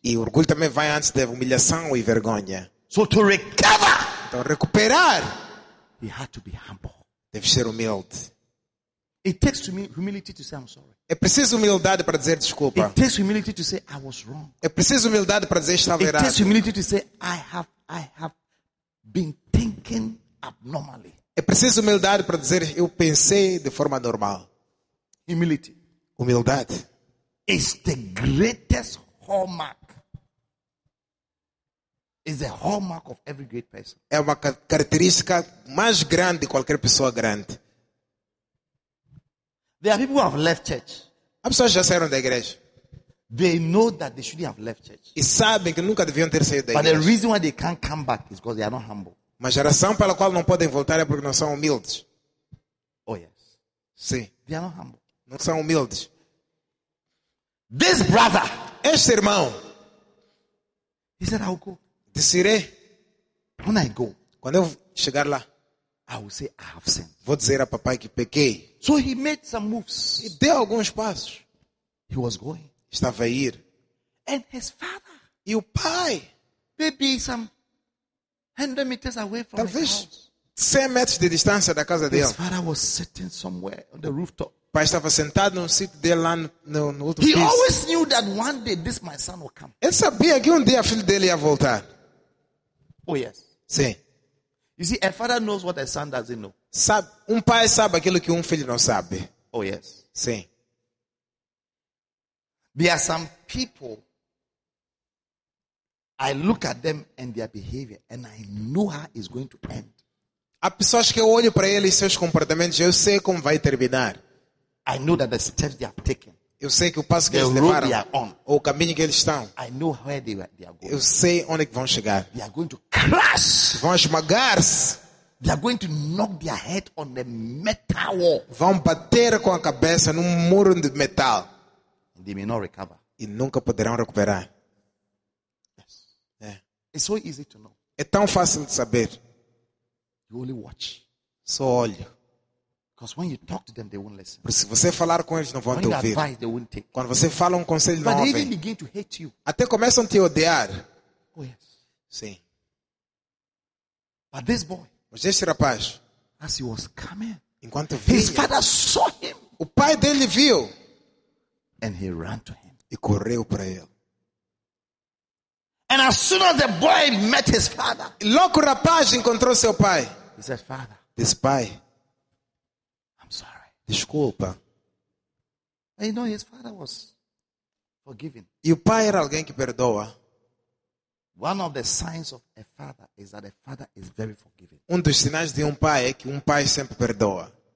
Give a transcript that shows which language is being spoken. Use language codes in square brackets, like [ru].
[pt] E orgulho também vai antes da humilhação e vergonha. [en] So to recover, [pt] então, recuperar, [en] he had to be humble. [pt] Deve ser humilde. [en] It takes humility to say I'm sorry. [pt] É preciso humildade para dizer desculpa. [en] It takes humility to say I was wrong. [pt] É preciso humildade para dizer estava errado. [en] It takes humility to say I have been thinking abnormally. [pt] É preciso humildade para dizer eu pensei de forma normal. [en] Humility. [pt] Humildade. [en] Is the greatest hallmark. Is the hallmark of every great person. [pt] É uma característica mais grande de qualquer pessoa grande. [en] There are people who have left church. [pt] Há pessoas que já saíram da igreja. [en] They know that they shouldn't have left church. [pt] E sabem que nunca deviam ter saído da [en] But [pt] igreja. [en] But the reason why they can't come back is because they are not humble. [pt] Mas a razão pela qual não podem voltar é porque não são humildes. [en] Oh yes. [pt] Sim. [en] They are not humble. [pt] Não são humildes. [en] This brother. [pt] Este irmão. [en] He said, I'll go. [pt] Disse, irei. [en] When I go. [pt] Quando eu chegar lá. [en] I will say I have sinned. [pt] Vou dizer a papai que pequei. [en] So he made some moves. [pt] E deu alguns passos. [en] He was going. [pt] Estava a ir. [en] And his father. [pt] E o pai. [en] Maybe some 100 meters away from [pt] talvez [en] his house. [pt] 100 metros de distância da casa [en] his [pt] dele. [en] His father was sitting somewhere on the rooftop. [pt] Pai estava sentado num sítio dele lá no outro. [en] He [pt] piso. [en] Always knew that one day this my son will come. [pt] Ele sabia que dia filho dele ia voltar. [en] Oh yes. [pt] Sim. [en] You see, a father knows what a son doesn't know. [pt] Sabe, pai sabe aquilo que filho não sabe. [en] Oh yes. [pt] Sim. [en] There are some people. I look at them and their behavior, and I know how it's going to end. [pt] Há pessoas que eu olho para eles e seus comportamentos, eu sei como vai terminar. [en] I know that the steps they have taken. [pt] Eu sei que o passo que [en] the [pt] eles levaram, [en] they are on, [pt] ou o caminho que eles estão. [en] I know where they are going. [pt] Eu sei onde que vão chegar. [en] They are going to crash. [pt] Vão esmagar-se. [en] They are going to knock their head on the metal wall. [pt] Vão bater com a cabeça num muro de metal. [en] And they may not recover. [pt] E nunca poderão recuperar. [en] Yes. Yeah. It's so easy to know. [pt] É tão fácil de saber. [en] You only watch. [pt] Só olha. [en] Because when you talk to them, they won't listen. [pt] Porque se você falar com eles, não vão [en] when [pt] te ouvir. [en] Advice, they won't take. [pt] Quando você fala um conselho, [en] but [pt] não [en] they [pt] ouvem. [en] Even begin to hate you. [pt] Até começam a te odiar. [en] Oh, yes. [pt] Sim. [en] But this boy, [pt] mas este rapaz, [en] as he was coming, [pt] enquanto vinha, [en] his father saw him, [pt] o pai dele viu. [en] And he ran to him. [pt] E correu para ele. [en] And as soon as the boy met his father, [pt] logo o rapaz encontrou seu pai. [en] He said, father, [pt] this pai, [en] I'm sorry. [pt] Desculpa. [en] And you know, his father was forgiven. [pt] E o pai era alguém que perdoa. [en] One of the signs of a father is that a father is very forgiving. [pt] Um dos sinais de pai é que pai sempre perdoa.